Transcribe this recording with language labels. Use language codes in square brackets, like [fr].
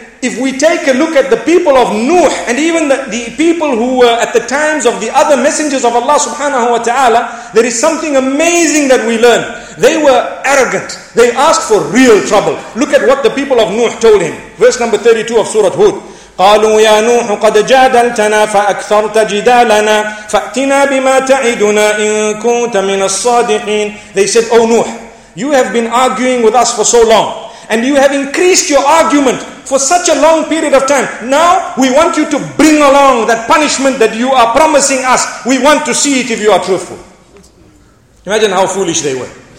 [en] if we take a look at the people of Nuh and even the people who were at the times of the other messengers of Allah subhanahu wa ta'ala, there is something amazing that we learn. They were arrogant. They asked for real trouble. Look at what the people of Nuh told him. Verse number 32 of Surah Hud. [ar] قالوا يا نوح قد جادلتنا فأكثرت جدالنا فأتنا بما تعدنا إن كنت من الصادقين. [en] They said, O Nuh, you have been arguing with us for so long, and you have increased your argument for such a long period of time. Now we want you to bring along that punishment that you are promising us. We want to see it if you are truthful. Imagine how foolish they were.